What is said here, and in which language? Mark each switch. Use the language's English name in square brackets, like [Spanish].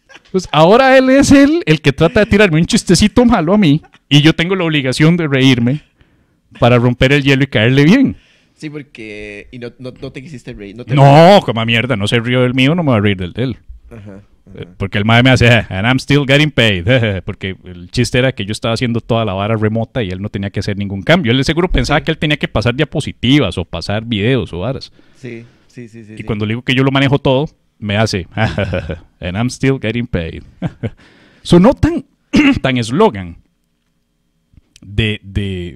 [Spanish] Pues ahora él es el que trata de tirarme un chistecito malo a mí y yo tengo la obligación de reírme para romper el hielo y caerle bien. Sí, porque... Y no te quisiste reír. No, como mierda, no se rió del mío, no me voy a reír del de él. Ajá. Porque el mae me hace, [English] and I'm still getting paid. [Spanish] Porque el chiste era que yo estaba haciendo toda la vara remota y él no tenía que hacer ningún cambio. Él seguro pensaba que él tenía que pasar diapositivas o pasar videos o varas. Sí. Y cuando le digo que yo lo manejo todo, me hace, [English] and I'm still getting paid. [Spanish] Sonó tan eslogan de...